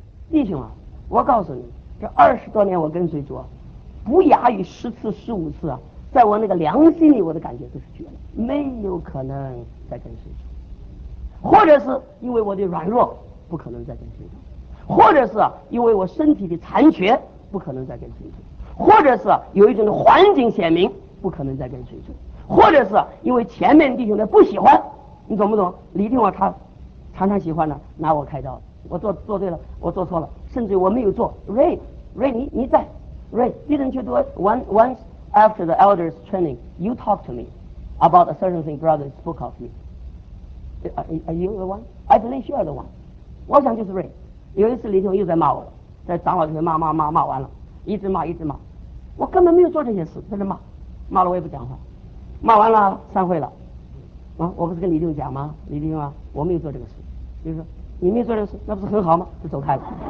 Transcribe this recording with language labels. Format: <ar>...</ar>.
<zh>弟兄啊，我告诉你，这20多年我跟随主啊，不亚于10次15次啊，在我那个良心里我的感觉都是绝了，没有可能再跟随主，或者是因为我的软弱不可能再跟随主，或者是因为我身体的残缺不可能再跟随主，或者是有一种的环境显明不可能再跟随主，或者是因为前面弟兄的不喜欢，你懂不懂？李定华他常常喜欢呢拿我开刀，我做对了，我做错了，甚至我没有做。</zh> <en>Ray</en> <zh>你在</zh> <en>Ray didn't you do one after the elders training you talk to me about a certain thing brother spoke of me are you the one? I believe you are the one.</en> <zh>我想就是 Ray。有一次李定华又在骂我了，在长老这边骂完了，一直骂，我根本没有做这些事，在这骂，骂了我也不讲话，骂完了散会了。我不是跟李定讲吗？李定啊，我没有做这个事。就是说你没有做这个事，那不是很好吗？就走开了。</zh>